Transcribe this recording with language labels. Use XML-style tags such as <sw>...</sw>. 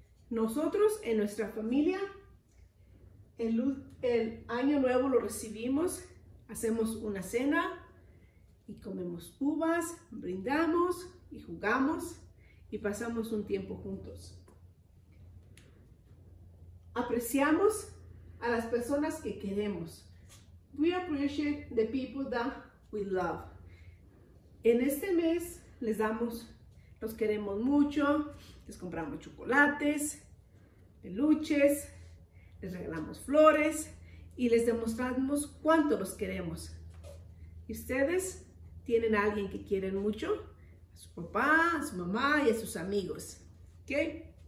<es>Nosotros en nuestra familia, el año nuevo lo recibimos. Hacemos una cena y comemos uvas, brindamos y jugamos y pasamos un tiempo juntos. Apreciamos a las personas que queremos.</es> <en>We appreciate the people that we love.</en> <es>En este mes les damos, los queremos mucho, les compramos chocolates, peluches, les regalamos flores y les demostramos cuánto los queremos. ¿Y ustedes tienen a alguien que quieren mucho? A su papá, a su mamá y a sus amigos. ¿Ok?</es>